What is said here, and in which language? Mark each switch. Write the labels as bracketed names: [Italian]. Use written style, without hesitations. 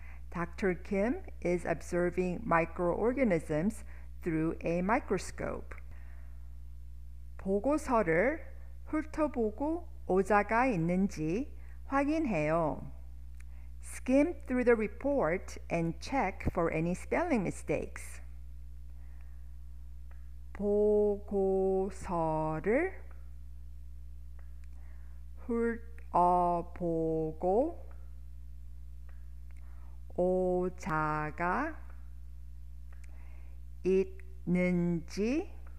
[English] Dr. Kim is observing microorganisms through a microscope. [Korean] 보고서를 훑어보고 오자가 있는지 확인해요. [English] Skim through the report and check for any spelling mistakes. [Korean] 보고서를 훑어보고 오자가 있는지